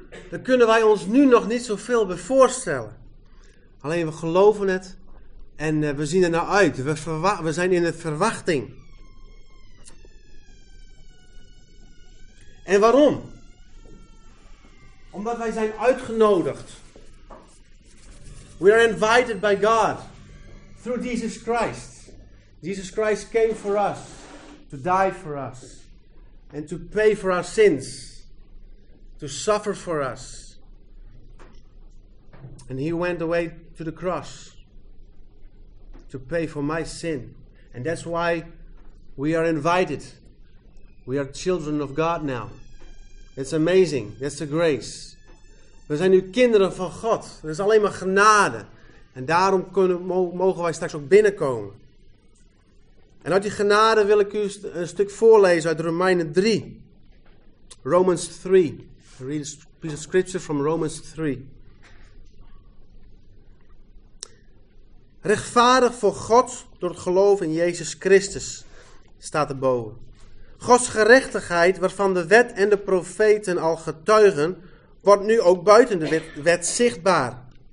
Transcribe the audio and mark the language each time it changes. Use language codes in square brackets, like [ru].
[nl] Daar kunnen wij ons nu nog niet zoveel bij voorstellen. Alleen we geloven het en we zien er naar uit. We zijn in de verwachting. En waarom? Omdat wij zijn uitgenodigd. [en] We are invited by God through Jesus Christ. Jesus Christ came for us, to die for us, and to pay for our sins, to suffer for us. And he went away to the cross, to pay for my sin. And that's why we are invited. We are children of God now. It's amazing. That's the grace. [nl] We zijn nu kinderen van God. Dat is alleen maar genade. En daarom mogen wij straks ook binnenkomen. En uit die genade wil ik u een stuk voorlezen uit Romeinen 3. [en] Romans 3. Read a piece of scripture from Romans 3. [nl] Rechtvaardig voor God door het geloof in Jezus Christus, staat erboven. Gods gerechtigheid, waarvan de wet en de profeten al getuigen, wordt nu ook buiten de wet zichtbaar.